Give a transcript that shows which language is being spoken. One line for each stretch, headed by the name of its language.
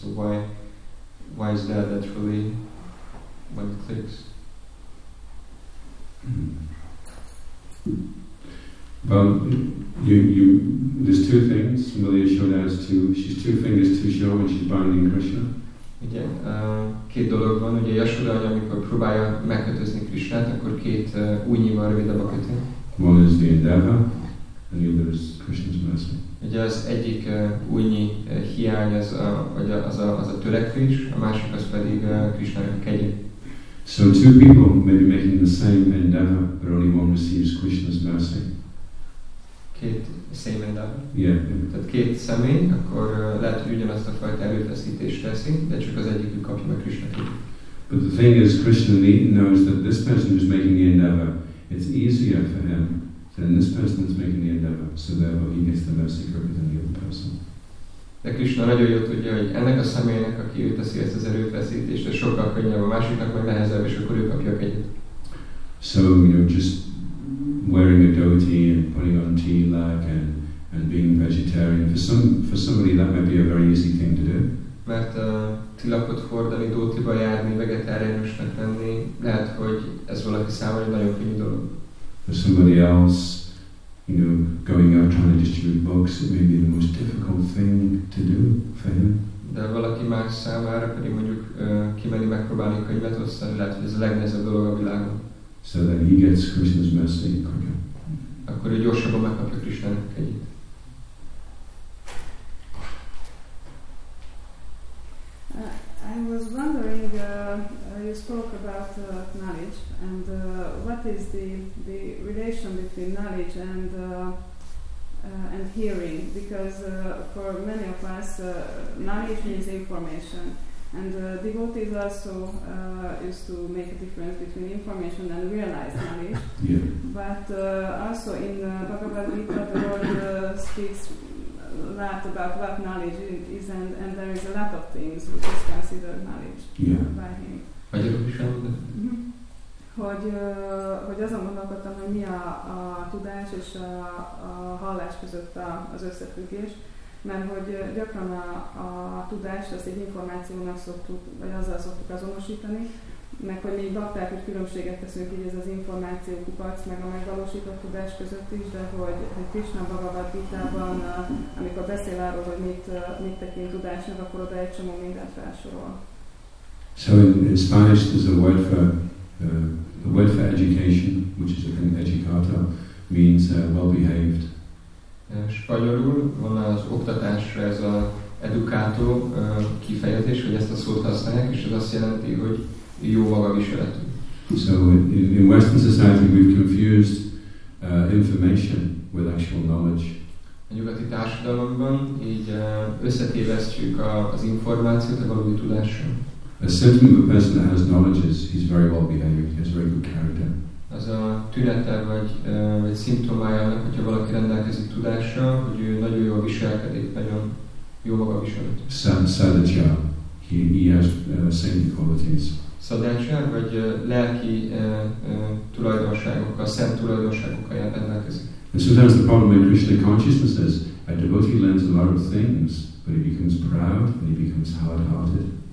English: So why is that? That's really when it clicks. Well, you. There's two things. Maliya Yashoda has two. She's two fingers too short, and she's binding Krishna.
Hungarian: Ugye, két dolog van. Ugye Yashoda, amikor próbálja megkötözni Krishnát, akkor két ujjnyi van rövidebb a kötő.
English: One is the endeavor, and the other is Krishna's mercy.
Hungarian: Ugye az egyik ujjnyi hiány az a törekvés, a másik az pedig Krishna kegye.
English: So two people may be making the same endeavor, but only one receives Krishna's mercy.
Hungarian: Tehát két személy, akkor lehet, hogy ugyanazt a fajta erőfeszítést teszi, de csak az egyikük kapja meg Krishna-t.
English: But the thing is, Krishna knows that this person who's making the endeavor, it's easier for him than this person that's making the endeavor, so therefore he gets the mercy quicker than the other person.
Hungarian: De Krishna nagyon jól tudja, hogy ennek a személynek, aki ő teszi ezt az erőfeszítést, ez sokkal könnyebb, a másiknak majd nehezebb, és akkor ő kapja a kegyet.
English: So, you know, just wearing a dhoti and putting on tilak and being vegetarian, for somebody that might be a very easy thing to do.
Hungarian: Mert tilakot hordani, dhotiba járni, vegetáriánusnak lenni, lehet, hogy ez valaki számára nagyon könnyű dolog.
English: For somebody else, you know, going out trying to distribute books, it may be the most difficult thing to do for him.
Hungarian: De valaki más számára pedig mondjuk kimenni megpróbálni könyvet osztani, lehet, hogy ez a legnehezebb dolog a világon.
English: So that he gets Krishna's mercy quicker.
Hungarian: Akkor ő gyorsabban megkapja Krishna-nak kegyét.
English: I was wondering, you spoke about knowledge, and what is the relation between knowledge and hearing? Because for many of us, knowledge means information. And devotees also used to make a difference between information and realized knowledge. Yeah. But also in Bhagavad Gita, the Lord speaks a lot about what knowledge is, and there is a lot of things which is considered knowledge by him. Mm-hmm.
Hungarian: hogy azon gondolkodtam, hogy mi a tudás és a hallás között az összefüggés, mert hogy gyakran a tudás, azt egy információnak szoktuk, vagy azzal szoktuk azonosítani, meg hogy mi bakták, hogy különbséget teszünk így ez az információ kupac, meg a megvalósított tudás között is, de hogy Krisna Bhagavad Gita-ban, amikor beszél arról, hogy mit tekint tudásnak, akkor oda egy csomó mindent felsorol.
English: So in Spanish there's a word for the word for education, which is a kind of educator, means well behaved.
Hungarian: Spanyolul van az oktatásra ez a educato kifejezés, hogy ezt a szót használják, és ez azt jelenti, hogy jó magaviseletű.
English: So in Western society we've confused information with actual knowledge.
Hungarian: A nyugati társadalomban így összetévesztjük az információt a valódi tudással.
English: A symptom of a person that has knowledge is he's very well behaved, he has very good character.
Hungarian: Az a tünete vagy szimptomája annak, hogyha valaki rendelkezik tudással, hogy ő nagyon jól viselkedik, nagyon jó maga viselőt.
English: Sadhaja, he has saintly qualities.
Hungarian: Sadhaja, vagy lelki tulajdonságokkal, szent tulajdonságokkal jár rendelkezik.
English: And sometimes the problem with Krishna consciousness is a devotee learns a lot of things, but he becomes proud and he becomes hard-hearted.